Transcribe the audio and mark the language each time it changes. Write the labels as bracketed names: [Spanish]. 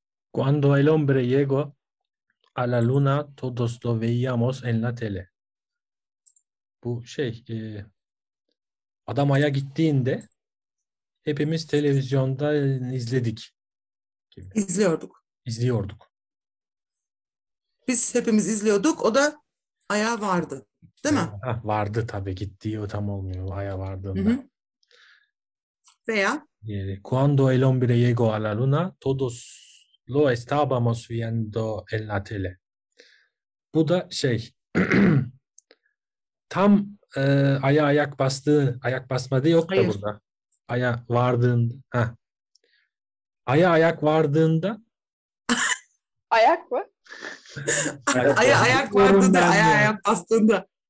[Spanish] Cuando el hombre llegó a la luna, todos lo veíamos en la tele. [Turkish] Bu şey... Adam Ay'a gittiğinde hepimiz televizyonda izledik. Gibi. İzliyorduk. İzliyorduk. Biz hepimiz izliyorduk. O da Ay'a vardı. Değil mi? Vardı tabii. Gittiği o tam olmuyor. Ay'a vardığında. Hı-hı. Veya? [Spanish] Cuando el hombre llegó a la luna, todos lo estábamos viendo en la tele. [Turkish] Bu da şey... tam... Ay'a ayak bastığı, ayak basmadı yok da hayır. Burada. Ay'a vardığında. Ay'a ayak vardığında. Ayak mı? Ay'a ayak vardığında, Ay'a ayak bastığında.